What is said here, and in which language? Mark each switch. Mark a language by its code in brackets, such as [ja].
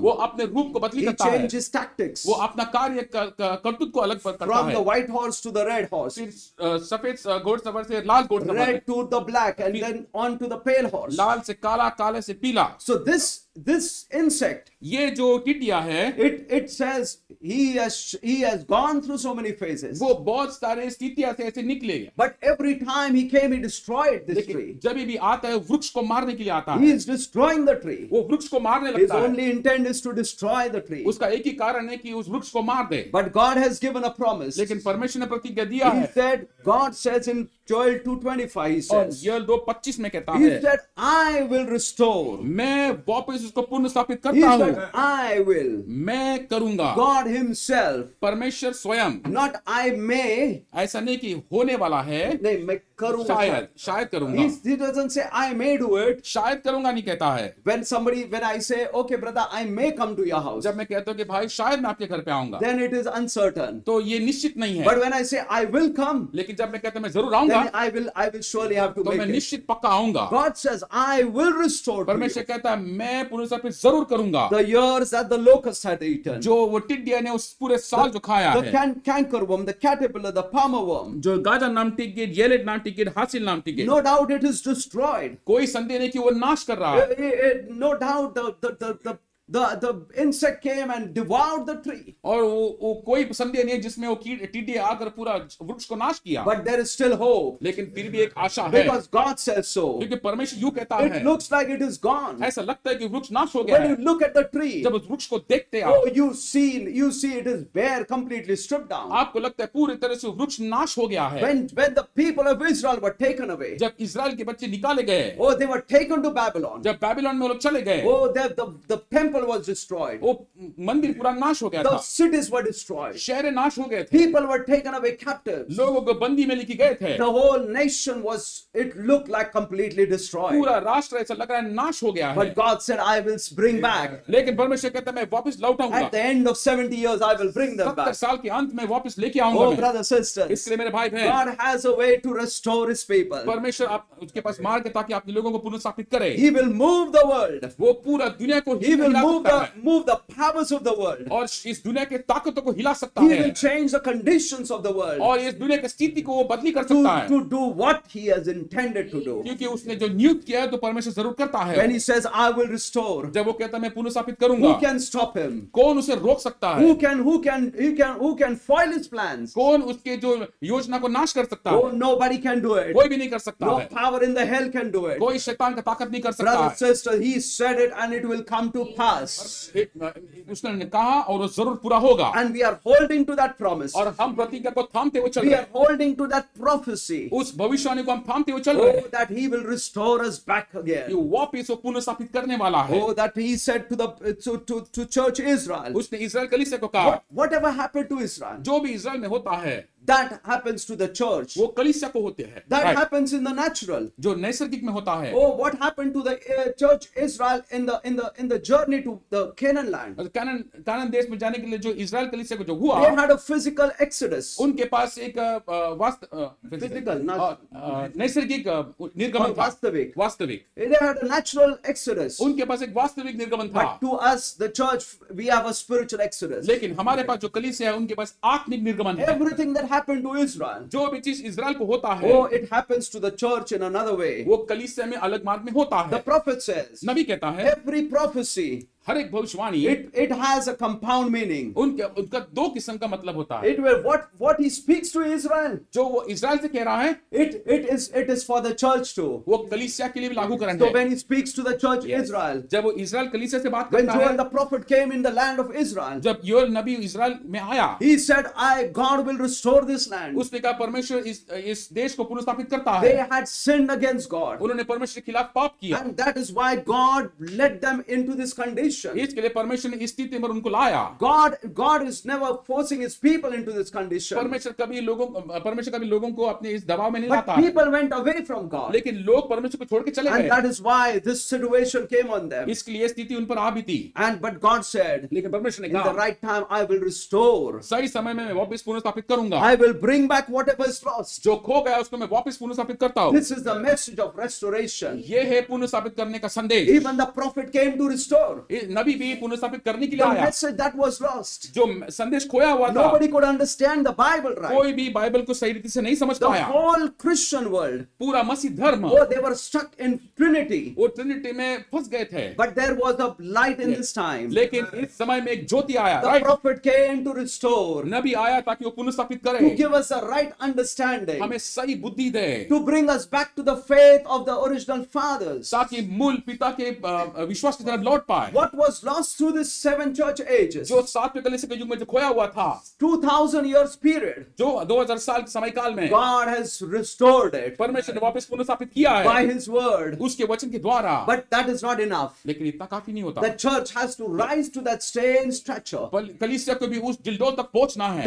[hi] वो अपने रूप को बदली करता है. [en] He changed his tactics. [hi] वो अपना कार्य कर्तृत्व को अलग करता है. [en] From the white horse to the red horse. [hi] सफेद घोड़ सवार से लाल घोड़ सवार. [en] Red to the black and then on to the pale horse. [hi] लाल से काला, काले से पीला. [en] So this insect. [hi] ये जो टिड्डियां है. [en] It says he has gone through so many phases. [hi] वो बहुत सारे स्थितियां से ऐसे निकले. [en] But every time he came, he destroyed this tree. [hi] जब भी आता है वृक्ष को मारने के लिए आता है. [en] He is destroying the tree. [hi] वो वृक्ष को मारने लगता है. [en] His only intent is to destroy the tree. [hi] उसका एक ही कारण है कि उस वृक्ष को मार दे. [en] But God has given a promise. [hi] लेकिन परमेश्वर ने प्रतिज्ञा दिया है. [en] He said, God says in Joel 2:25, [hi] Joel 2:25 में कहता [en] है. He said, I will restore. [hi] मैं वापस उसको पुनः स्थापित करता हूँ. [en] I will. [hi] मैं करूँगा. [en] God himself. [hi] परमेश्वर स्वयं. [en] Not I may. [hi] ऐसा नहीं कि होने वाला है. नहीं, मैं करूँगा. शायद करूँगा. [en] He doesn't say I may do it. [hi] शायद करूँगा नहीं कहता है. [en] When I say, okay brother, I may come to your house. [hi] जब मैं कहता हूँ कि भाई शायद मैं आपके घर पे आऊँगा. [en] Then it is uncertain. [hi] तो ये निश्चित नहीं है. [en] But when I say I will come. [hi] लेकिन जब मैं कहता हूँ मैं जरूर आऊँगा. [en] I will surely have to [hi] तो [en] make [hi] मैं निश्चित पक्का आऊंगा. [en] God says, I will restore. [hi] परमेश्वर कहता है मैं पुनर्स्थापित जरूर करूंगा. [en] The years that the locust had eaten. [hi] जो वो टिड्डियां ने उस पूरे साल जो खाया है. [en] The canker worm, the caterpillar, the palmer worm. [hi] जो गाजर नाम टिकेट, येलेट नाम टिकेट, हासिल नाम ticket. [en] No doubt it is destroyed. [hi] कोई संदेह नहीं कि वो नाश कर रहा है. [en] No doubt the insect came and devoured the tree. [hi] और वो कोई संदेह नहीं है जिसमें वो टिड्डी आकर पूरा वृक्ष को नाश किया. [en] But there is still hope. [hi] लेकिन फिर भी एक आशा है. [en] Because God says so. [hi] क्योंकि परमेश्वर यूँ कहता है. [en] It looks like it is gone. [hi] ऐसा लगता है कि वृक्ष नाश हो गया. [en] When you look at the tree. [hi] जब उस वृक्ष को देखते हैं. [en] Oh, you see it is bare, completely stripped down. [hi] आपको लगता है पूरी तरह से वृक्ष नाश हो गया है. [en] When the people of Israel were taken away. [hi] जब इसराइल के बच्चे निकाले गए. [en] Oh, they were taken to Babylon. [hi] जब बेबीलोन में लोग चले गए. [en] Oh, the temple was destroyed. [hi] वो मंदिर पूरा नाश हो गया था. [en] The cities were destroyed. [hi] शहर नाश हो गए थे. [en] People were taken away captive. [hi] लोगों को बंदी में लेके गए थे. [en] The whole nation was, it looked like completely destroyed. [hi] पूरा राष्ट्र ऐसा लग रहा है नाश हो गया है. [en] But God said, I will bring back. [hi] लेकिन परमेश्वर कहता है मैं वापस लौटाऊंगा. [en] At the end of 70 years, I will bring them back. [hi] 70 साल के अंत में वापस लेके आऊंगा. [en] Oh, brother, sister. [hi] इसलिए मेरे भाई बहन. [en] God has a way to restore his people. [hi] परमेश्वर आप उसके पास मार्ग है ताकि अपने लोगों को पुनर्स्थापित करे. [en] He will move the world. [hi] वो पूरा दुनिया को [en] move the powers of the world. [hi] और इस दुनिया के ताकतों को हिला सकता [en] he [hi] है. [en] He will change the conditions of the world. [hi] और इस दुनिया की स्थिति को वो बदली कर सकता है. [en] To do what he has intended to do. [hi] क्योंकि उसने जो नियुक्त किया है तो परमेश्वर जरूर करता है. [en] When he says I will restore. [hi] जब वो कहता है मैं पुनर्स्थापित करूंगा. [en] Who can stop him? [hi] कौन उसे रोक सकता है? [en] Who can foil his plans? [hi] कौन उसके जो योजना को नाश कर सकता है? [en] Oh, nobody can do it. [hi] कोई भी नहीं कर सकता. [en] No power in the hell can do it. [hi] कोई शैतान का ताकत नहीं कर सकता. [en] Brother, sister, he said it and it will come to pass. us. [hi] उसने कहा और जरूर पूरा होगा. [en] And we are holding to that promise. [hi] और हम प्रतिज्ञा को थामते हुए चल [en] रहे. We are holding to that prophecy. [hi] उस भविष्यवाणी को हम थामते हुए चल रहे. [en] Oh, that he will restore us back again. [hi] ये वापस वो पुनर्स्थापित करने वाला है. [en] Oh, that he said to the to church Israel. [hi] उसने इज़राइल कलीसिया को कहा. [en] Whatever happened to Israel? [hi] जो भी इज़राइल में होता है. [en] That happens to the church. [hi] वो कलीसिया को होते हैं. [en] That happens in the natural. [hi] जो नैसर्गिक में होता है. [en] Oh, what happened to the church Israel in the journey to the Canaan land? [hi] Kanan देश में जाने के लिए जो इज़राइल कलीसिया को जो हुआ. [en] They had a physical exodus. [hi] उनके पास एक वास्त [en] physical [hi] नैसर्गिक निर्गमन था. वास्तविक. [en] They had a natural exodus. [hi] उनके पास एक वास्तविक निर्गमन था. [en] But to us, the church, we have a spiritual exodus. [hi] लेकिन हमारे पास जो कलीसिया है उनके पास आत्मिक निर्गमन है. [en] Everything that happened to Israel. [hi] जो भी चीज इज़राइल को होता है. [en] Oh, it happens to the church in another way. [hi] वो कलीसिया में अलग मार्ग में होता है. [en] The prophet says. [hi] नबी कहता है. [en] Every prophecy. [hi] हर एक भविष्यवाणी. [en] It has a compound meaning. [hi] उनका दो किस्म का मतलब होता है. [en] It will what he speaks to Israel. [hi] जो वो इज़राइल से कह रहा है. [en] It is for the church too. [hi] वो कलीसिया के लिए भी लागू करना [en] है. So when he speaks to the church Israel. [hi] जब वो इज़राइल कलीसिया से बात करता है. [en] When Joel the prophet came in the land of Israel. [hi] जब योएल नबी इज़राइल में आया. [en] He said, I God will restore this land. [hi] उसने कहा परमेश्वर इस देश को पुनर्स्थापित करता है. [en] They had sinned against God. [hi] उन्होंने परमेश्वर के खिलाफ पाप किया. [en] And that is why God led them into this condition. [hi] इसके लिए परमेश्वर ने इस स्थिति में उनको लाया. [en] God is never forcing his people into this condition. [hi] परमेश्वर कभी लोगों को अपने इस दबाव में नहीं लाता. [en] People went away from God. [hi] लेकिन लोग परमेश्वर को छोड़ के चले गए. [en] And that is why this situation came on them. [hi] इसके लिए स्थिति उन पर आ भी थी. [en] And but God said, [hi] लेकिन परमेश्वर ने कहा, [en] in the right time I will restore. [hi] सही समय में मैं वापस पुनर्स्थापित करूंगा. [en] I will bring back whatever is lost. [hi] जो खो गया उसको मैं वापस पुनर्स्थापित करता हूं. [en] This is the message of restoration. [hi] यह है पुनर्स्थापित करने का संदेश. [en] Even the prophet came to restore. [hi] नबी भी पुनर्स्थापित करने के लिए आया. [en] The message that was lost. [hi] जो संदेश खोया हुआ था. [en] Nobody could understand the Bible right. [hi] कोई भी बाइबल को सही रीति से नहीं समझ पाया. [en] The whole Christian world. [hi] पूरा मसीह धर्म. [en] Oh, they were stuck in Trinity. [hi] वो ट्रिनिटी में फंस गए थे. [en] But there was a light in this time. [hi] लेकिन इस समय में एक ज्योति आया. [en] The prophet came to restore. [hi] नबी आया ताकि वो पुनर्स्थापित करे. [en] To give us a right understanding. [hi] हमें सही बुद्धि दे. [en] To bring us back to the faith of the original fathers. [hi] ताकि मूल पिता के विश्वास की तरफ लौट पाए. [en] What was lost through the seven church ages? [hi] जो सातवें कलीसिया के युग में जो खोया हुआ था. [en] 2000 years period. [hi] जो 2000 साल के समय काल में. [en] God has restored it. [hi] परमेश्वर ने वापस पुनर्स्थापित किया है. [en] By His word. [hi] उसके वचन के द्वारा. [en] But that is not enough. [hi] लेकिन इतना काफी नहीं होता. [en] The church has to rise to that same stature. [hi] कलीसिया को भी उस डिलडोल तक पहुंचना है.